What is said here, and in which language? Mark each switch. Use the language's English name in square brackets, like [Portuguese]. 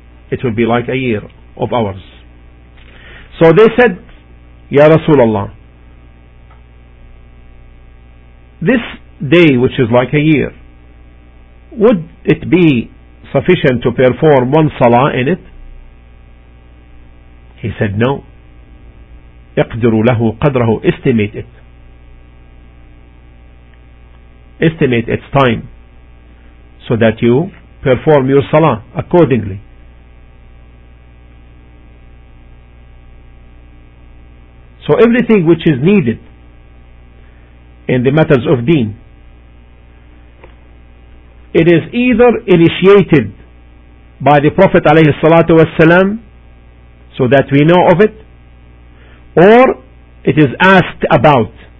[English] It will be like a year of ours. So they said, Ya Rasulullah, this day which is like a year, would it be sufficient to perform one salah in it? He said, no. [Arabic] اقدروا له قدره, [English] estimate it. Estimate its time so that you perform your salah accordingly. So everything which is needed in the matters of deen, it is either initiated by the Prophet عليه الصلاة والسلام so that we know of it, or it is asked about.